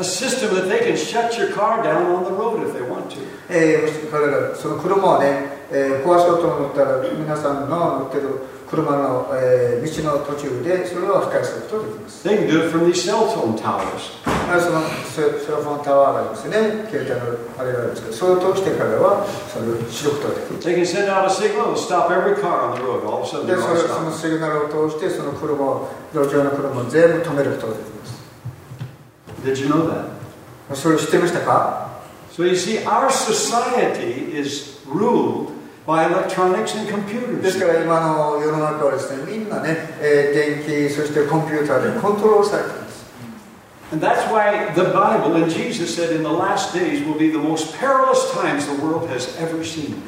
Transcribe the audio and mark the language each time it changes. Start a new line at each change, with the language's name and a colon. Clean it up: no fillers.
English: system that they can shut your car down on the road if they want to.
Japanese: その車をね、壊そうと思ったら、皆さんの乗ってる車の道の途中でそれを破壊することができます。
English: They can do it from these cell phone towers.
Japanese: そのセルフォンタワーですね、携帯のあれがあるんですけど、それを通して彼はそれを知ることができます。
English: They can send out a signal and stop every car on the road all of a sudden.
Japanese: で、そのシグナルを通して、その車を、路上の車を全部止めることができます。
English: Did you know that?
Japanese: それ知ってましたか?
English: So you see, our society is ruled by electronics and computers.
Japanese: ですから今の世の中はですね、みんなね、電気、そしてコンピューターでコントロールされています。
English: And that's why the Bible and Jesus said in the last days will be the most perilous times the world has ever seen.